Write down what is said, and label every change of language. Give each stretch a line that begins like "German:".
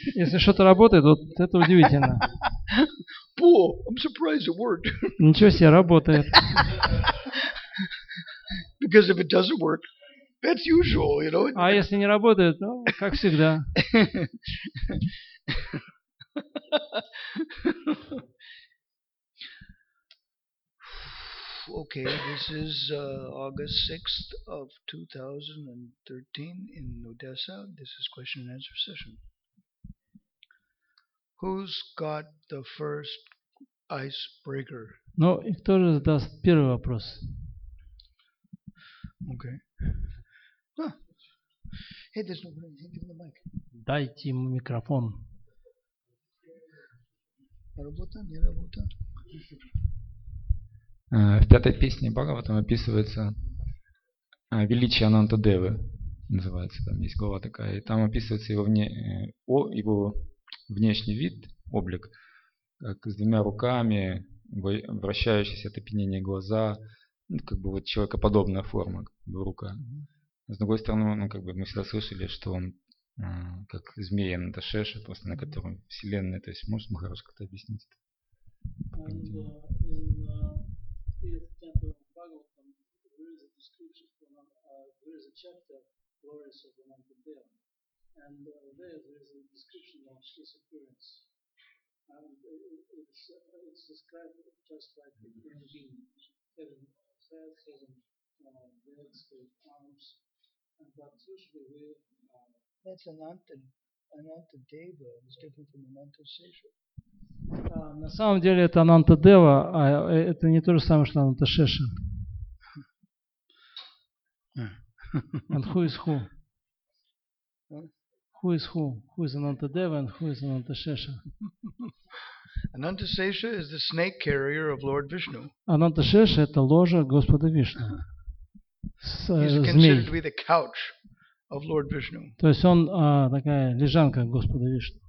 Russian: Если что-то работает, вот это удивительно.
English: Pull, I'm surprised it worked.
Russian: Ничего себе, работает.
English: Because if it doesn't work, that's usual, you know.
Russian: А если не работает, ну, как всегда.
English: Okay, this is August 6th of 2013 in Odessa. This is question and answer session. Who's got the first icebreaker?
Russian: Ну, и кто же задаст первый вопрос?
English: Okay. Hey, there's no problem. Hey, give me the mic.
Russian: Дайте ему микрофон. Работа, не работа. В пятой песне Бхагаватам описывается величие Ананта Девы, называется, там есть глава такая, и там описывается его, его внешний вид, облик, как с двумя руками, вращающиеся от опьянения глаза, ну, как бы вот человекоподобная форма, как бы рука. С другой стороны, ну, как бы мы всегда слышали, что он как змея Анантешеша, просто на котором вселенная, то есть можешь, Махараш, как-то объяснить это?
English: In the temple of Bhagavatam, there is a description for there is a chapter, Glories of Ananta Deva, and there is a description of his appearance, and it's described just like a human being, having head, having legs, having arms, and that's usually where that's Ananta Deva is different from Ananta Sesha.
Russian: На самом деле это Ананта Дева, а это не то же самое, что Ананта Шеша.
English: And who is who? Who is who? Who is Ananta Дева and who is Ананта Шеша? Ananta Sesha is the snake carrier of Lord Vishnu.
Russian: Ананта Шеша – это ложа Господа Вишну.
English: He's considered to be the couch of Lord Vishnu.
Russian: То есть он такая лежанка Господа Вишну.